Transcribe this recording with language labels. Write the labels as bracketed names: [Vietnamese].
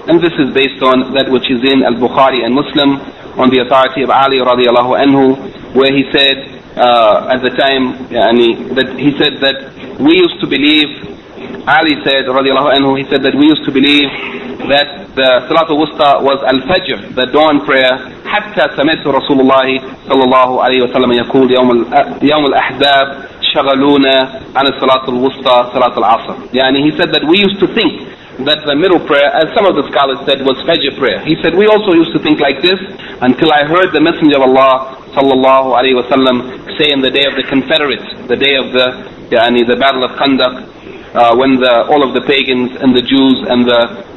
[English] And this is based on that which is in Al-Bukhari and Muslim on the authority of Ali [Arabic] radiallahu anhu, [English] where he said at the time, that he said that we used to believe, Ali said radiallahu anhu, he said that we used to believe that the Salat al-Wusta was Al-Fajr, the dawn prayer. [Arabic] حتى سمعت رسول الله صلى الله عليه وسلم يقول يوم الأحزاب شغلونا عن الصلاة الوسطى صلاة العصر. [English] يعني he said that we used to think that the middle prayer, as some of the scholars said, was Fajr prayer. He said we also used to think like this until I heard the Messenger of Allah [Arabic] صلى الله عليه وسلم [English] say in the day of the Confederates, the day of the the Battle of Khandaq, when all of the pagans and the Jews and the